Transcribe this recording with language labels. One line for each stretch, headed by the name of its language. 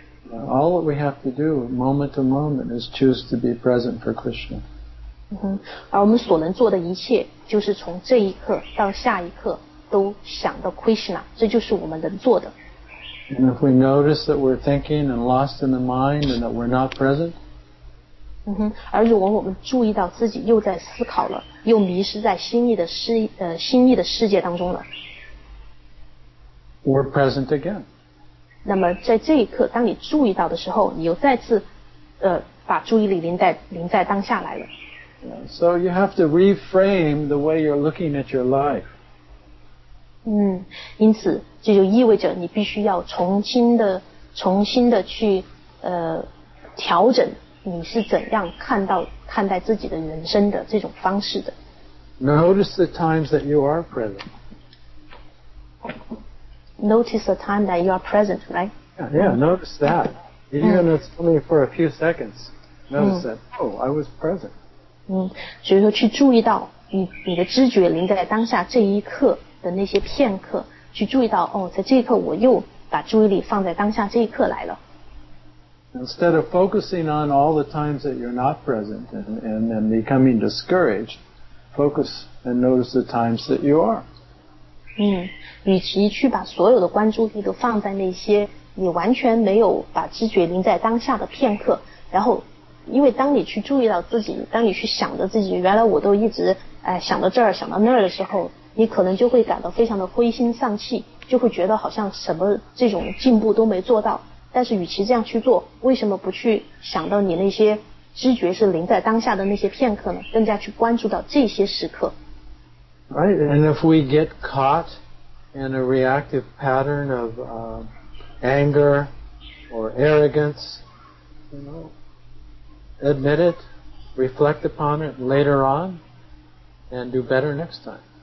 English: All we have to do, moment to moment, is choose to be present for Krishna.
Chinese: 而我们所能做的一切，就是从这一刻到下一刻都想到 Krishna， 这就是我们能做的。
English: And if we notice that we're thinking and lost in the mind and that we're not present,
Chinese: 而如果我们注意到自己又在思考了，又迷失在心意的世界当中了，
English: we're present again.
Chinese: 那么在这一刻当你注意到的时候你又再次把注意力临在当下来了。
English: So you have to reframe the way you're looking at your life.
Chinese: 因此这就意味着你必须要重新的去调整你是怎样看待自己的人生的这种方式的。
English: Notice the times that you are present. Notice the time that you are present, right? Yeah, notice that. Even if it's only for a few seconds, notice that, oh, I was present.
Chinese: 所以说去注意到你的知觉临在当下这一刻的那些片刻，去注意到哦，在这一刻我又把注意力放在当下这一刻来了。
English: Instead of focusing on all the times that you're not present and then becoming discouraged, focus and notice the times that you are.
Chinese: 与其去把所有的关注力都放在那些你完全没有把知觉临在当下的片刻，然后因为当你去注意到自己，当你去想着自己，原来我都一直想到这儿想到那儿的时候，你可能就会感到非常的灰心丧气，就会觉得好像什么这种进步都没做到。但是与其这样去做，为什么不去想到你那些知觉是临在当下的那些片刻呢？更加去关注到这些时刻。
English: Right, and if we get caught in a reactive pattern of anger or arrogance, you know, admit it, reflect upon it later on, and do better next time.